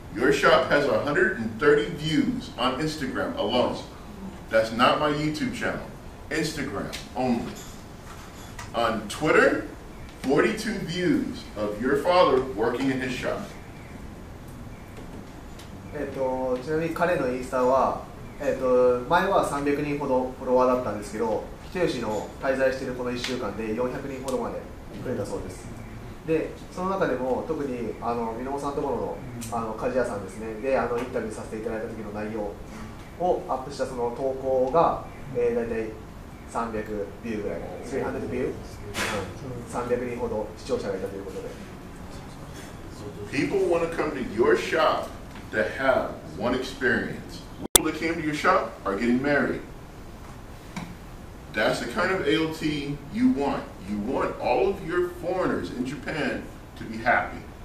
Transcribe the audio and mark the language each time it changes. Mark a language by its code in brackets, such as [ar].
[en] Your shop has 130 views on Instagram alone. That's not my YouTube channel. Instagram only. On Twitter, 42 views of your father working in his shop. [ja] ちなみに彼のインスタは、前は300人ほどフォロワーだったんですけど、人吉の滞在しているこの1週間で400人ほどまで増えたそうです。で、その中でも特に箕面さんのところの、鍛冶屋さんですね、でインタビューさせていただいた時の内容をアップしたその投稿が、大体300人ほど視聴者がいたということで。 [en] People want to come to your shop to have one experience. People that came to your shop are getting married. That's the kind of AOT you want. You want all of your foreigners in Japan to be happy.